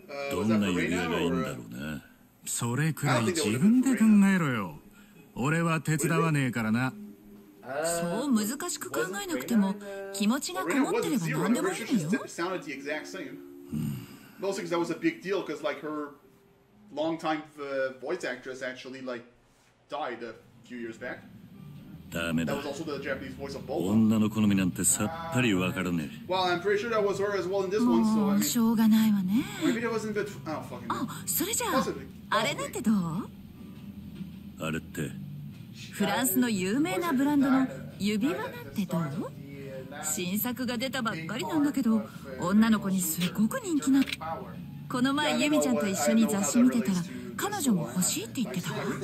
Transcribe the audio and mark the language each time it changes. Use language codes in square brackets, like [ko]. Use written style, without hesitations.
[ja] どんな指輪がいいんだろうな。それくらい自分で考えろよ。俺は手伝わねえからな。そう難しく考えなくても気持ちがこもってれば何でもいいよ。 [en] Sounded the exact same. Mostly because that was a big deal because like her longtime voice actress actually like died a few years back. [ja] ダメだ。女の好みなんてさっぱりわからねえ。 [en] Well, I'm pretty sure that was her as well in this one, so I mean... [ja] しょうがないわね。 [en] Maybe that wasn't good... Oh, fucking... [ja] あ、それじゃあ、あれなんてどう？あれって？フランスの有名なブランドの指輪なんてどう？新作が出たばっかりなんだけど、女の子にすごく人気な。この前、ユミちゃんと一緒に雑誌見てたら、彼女も欲しいって言ってたわ。